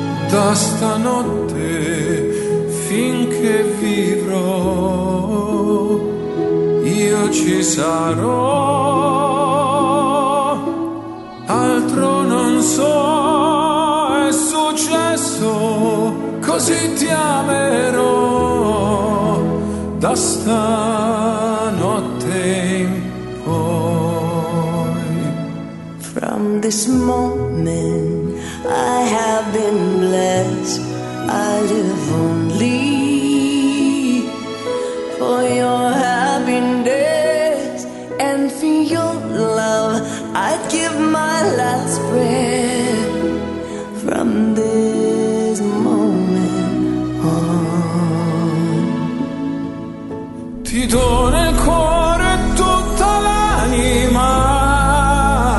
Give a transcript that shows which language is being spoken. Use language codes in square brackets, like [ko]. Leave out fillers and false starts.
[it] Da stanotte finché vivrò, io ci sarò, altro non so, è successo, così ti amerò, da stanotte in poi. [en] From this moment I have been blessed, I live only for your happiness and for your love. I'd give my last breath from this moment on. [it] Ti do nel cuore tutta l'anima.